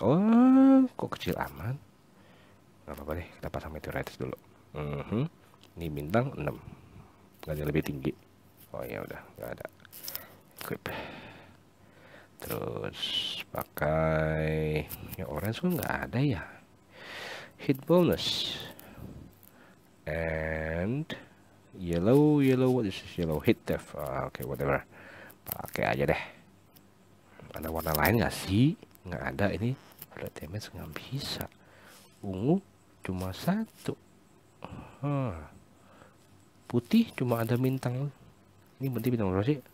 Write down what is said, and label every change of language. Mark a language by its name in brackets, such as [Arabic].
[Indonesian] Oh, kok kecil amat. Gak apa-apa deh, kita pasang meteorites dulu. Ini bintang 6. Gak ada lebih tinggi. Oh ya udah, gak ada. Equip. Terus pakai yang orange kok gak ada ya. [English] Hit bonus. And yellow, what is this yellow? Hit death. Okay, whatever. [Indonesian] Pakai aja deh. Ada warna lain nggak sih? Nggak ada ini. Red damage nggak bisa. Ungu cuma satu. Putih cuma ada bintang. Ini berarti bintang berapa sih?